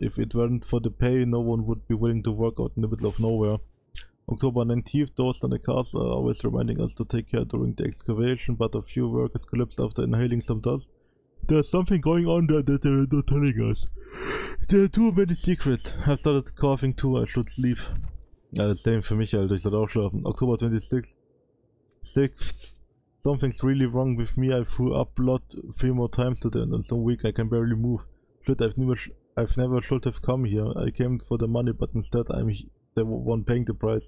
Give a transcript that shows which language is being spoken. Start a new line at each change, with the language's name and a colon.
English: If it weren't for the pay, no one would be willing to work out in the middle of nowhere. October 19th, doors on the cars are always reminding us to take care during the excavation, but a few workers collapsed after inhaling some dust. There's something going on there that they're not telling us. There are too many secrets. I started coughing too, I should sleep.
German: Ja, das same für mich, Alter, ich soll auch schlafen.
English: October 26th. Something's really wrong with me, I threw up blood 3 more times today and in some week I can barely move. Shit, I've never should have come here. I came for the money, but instead I'm the one paying the price.